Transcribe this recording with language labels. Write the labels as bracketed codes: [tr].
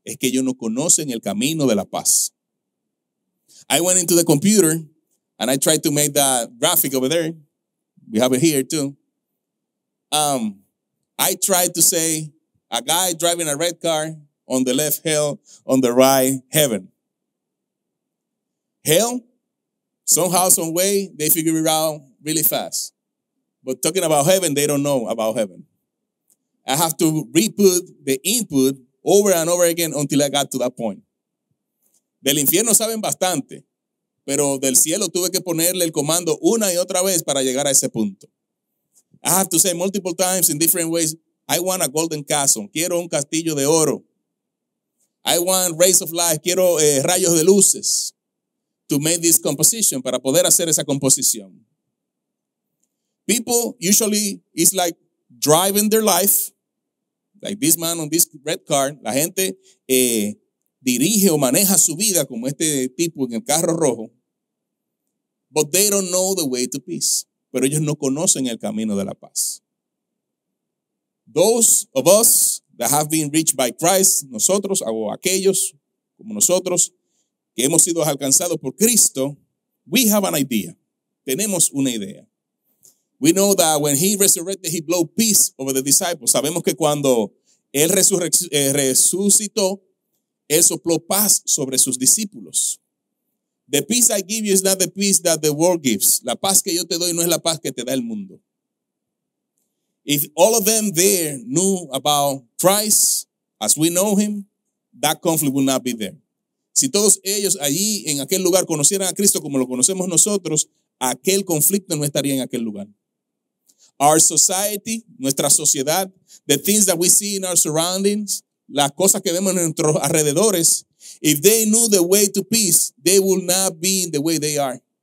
[es] Es que ellos no conocen el camino de la paz. [en] I went into the computer, and I tried to make that graphic over there. We have it here too. I tried to say, a guy driving a red car, on the left hell, on the right heaven. Hell, somehow, some way, they figure it out really fast. But talking about heaven, they don't know about heaven. I have to re-put the input over and over again until I got to that point. [es] Del infierno saben bastante, pero del cielo tuve que ponerle el comando una y otra vez para llegar a ese punto. [en] I have to say multiple times in different ways, I want a golden castle. [es] Quiero un castillo de oro. [en] I want rays of light. [es] Quiero rayos de luces [en] to make this composition, [es] para poder hacer esa composición. [en] People usually is like driving their life, like this man on this red car. [es] La gente dirige o maneja su vida como este tipo en el carro rojo. [en] But they don't know the way to peace. [es] Pero ellos no conocen el camino de la paz. [en] Those of us that have been reached by Christ, [es] nosotros o aquellos como nosotros que hemos sido alcanzados por Cristo, [en] we have an idea. [es] Tenemos una idea. [en] We know that when he resurrected, he blew peace over the disciples. [es] Sabemos que cuando él resucitó, él sopló paz sobre sus discípulos. [en] The peace I give you is not the peace that the world gives. [es] La paz que yo te doy no es la paz que te da el mundo. [en] If all of them there knew about Christ as we know him, that conflict would not be there. [es] Si todos ellos allí en aquel lugar conocieran a Cristo como lo conocemos nosotros, aquel conflicto no estaría en aquel lugar. [en] Our society, [es] nuestra sociedad, [en] the things that we see in our surroundings, [es] las cosas que vemos en nuestros alrededores, [en] if they knew the way to peace, they would not be in the way they are.